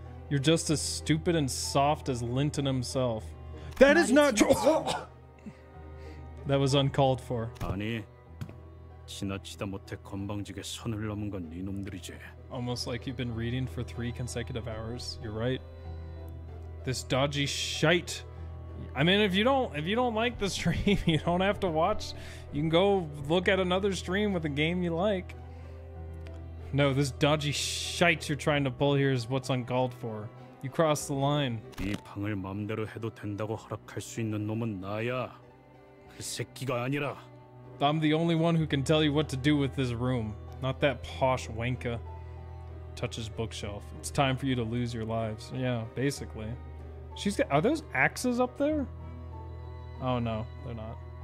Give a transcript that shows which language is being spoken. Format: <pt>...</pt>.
<en>You're just as stupid and soft as Linton himself. That is not true. That was uncalled for.</en> <ko>아니, 지나치다 못해 건방지게 선을 넘은 건 네 놈들이지.</ko> <en>Almost like you've been reading for 3 consecutive hours. You're right. This dodgy shite. I mean, if you don't like the stream, you don't have to watch. You can go look at another stream with a game you like. No, this dodgy shite you're trying to pull here is what's uncalled for. You crossed the line.</en> <ko>이 방을 마음대로 해도 된다고 허락할 수 있는 놈은 나야. 그 새끼가 아니라.</ko> <en>I'm the only one who can tell you what to do with this room. Not that posh wanka. Touches bookshelf. It's time for you to lose your lives. Yeah, basically. She's got, are those axes up there? Oh no, they're not.</en>